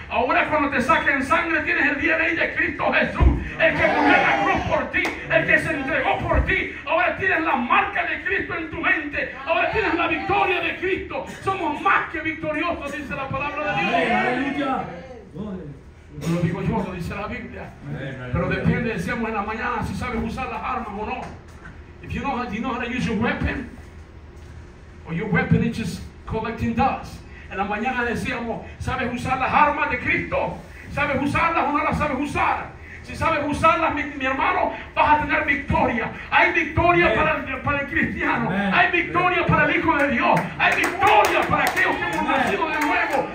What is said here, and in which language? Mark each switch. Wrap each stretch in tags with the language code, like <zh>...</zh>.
<es>Ahora cuando te saquen sangre, tienes el DNA de Cristo Jesús, el que murió en la cruz por ti, el que se entregó por ti. Ahora tienes la marca de Cristo en tu mente. Ahora tienes la victoria de Cristo. Somos más que victoriosos, dice la palabra de Dios. Aleluya. No lo digo yo, lo dice la Biblia. Pero depende, decíamos en la mañana, si sabes usar las armas o no.</es> <en>If you know how, you know how to use your weapon, or your weapon is just collecting dust.</en> <es>En la mañana decíamos, ¿sabes usar las armas de Cristo? ¿Sabes usarlas o no las sabes usar? Si sabes usarlas, mi hermano, vas a tener victoria. Hay victoria para el cristiano. Amen. Hay victoria para el Hijo de Dios. Hay victoria para aquellos que hemos nacido de nuevo.</es>